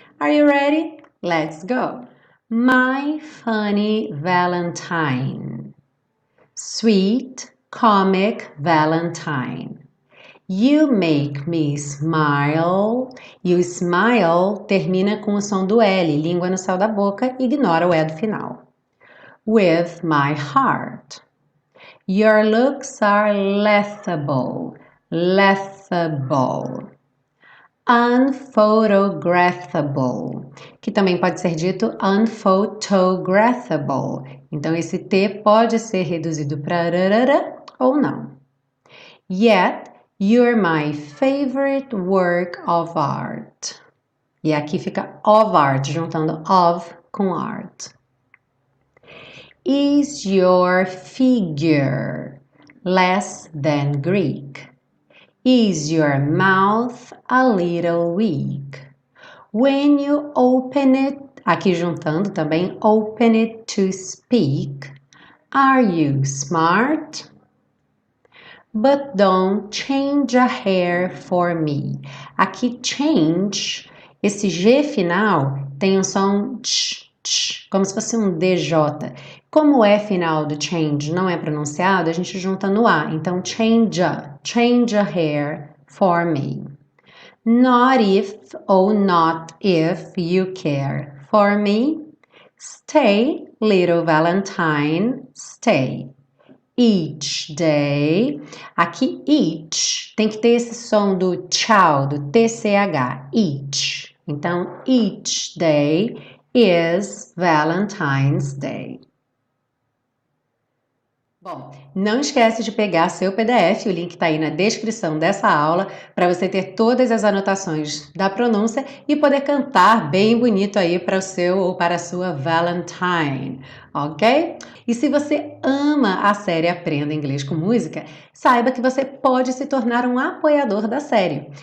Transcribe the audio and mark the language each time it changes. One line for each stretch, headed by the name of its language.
English: Are you ready? Let's go! My Funny Valentine. Sweet. Comic Valentine. You make me smile.
Portuguese: E o smile termina com o som do L, língua no céu da boca, ignora o E do final.
English: With my heart. Your looks are lethable. Lethable. Unphotographable.
Portuguese: Que também pode ser dito unphotographable. Então esse T pode ser reduzido para. Ou não.
English: Yet, you're my favorite work of art.
Portuguese: E aqui fica of art, juntando of com art.
English: Is your figure less than Greek? Is your mouth a little weak? When you open it,
Portuguese: aqui juntando também,
English: open it to speak, are you smart? But don't change a hair for me.
Portuguese: Aqui, change, esse G final tem um som tch, tch, como se fosse um DJ. Como o E final do change não é pronunciado, a gente junta no A.
English: Então, change a hair for me. Not if ou not if you care for me. Stay, little Valentine, stay. Each day.
Portuguese: Aqui, each, tem que ter esse som do tchau, do TCH. Each.
English: Então, each day is Valentine's Day.
Portuguese: Bom, não esquece de pegar seu PDF, o link está aí na descrição dessa aula, para você ter todas as anotações da pronúncia e poder cantar bem bonito aí para o seu ou para a sua Valentine, ok? E se você ama a série Aprenda Inglês com Música, saiba que você pode se tornar um apoiador da série.